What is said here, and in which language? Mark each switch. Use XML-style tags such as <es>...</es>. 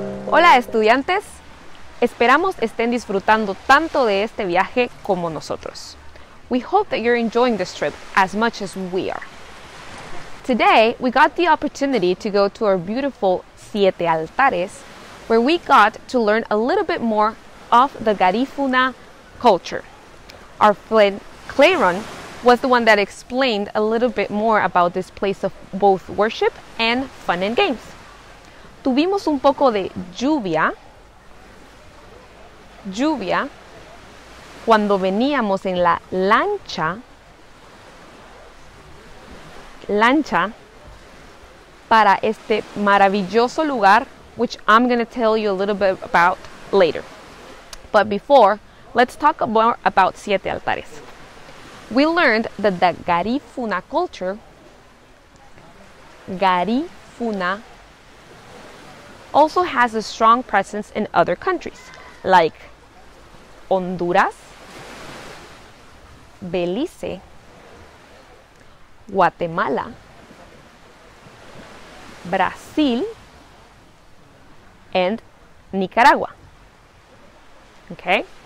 <es>Hola estudiantes, esperamos estén disfrutando tanto de este viaje como nosotros.</es> <en>We hope that you're enjoying this trip as much as we are. Today, we got the opportunity to go to our beautiful Siete Altares, where we got to learn a little bit more of the Garífuna culture. Our friend Clairon was the one that explained a little bit more about this place of both worship and fun and games.</en> <es>Tuvimos un poco de lluvia cuando veníamos en la lancha para este maravilloso lugar,</es> <en>which I'm going to tell you a little bit about later. But before, let's talk more about Siete Altares. We learned that the Garífuna also has a strong presence in other countries, like Honduras, Belize, Guatemala, Brazil, and Nicaragua. Okay?</en>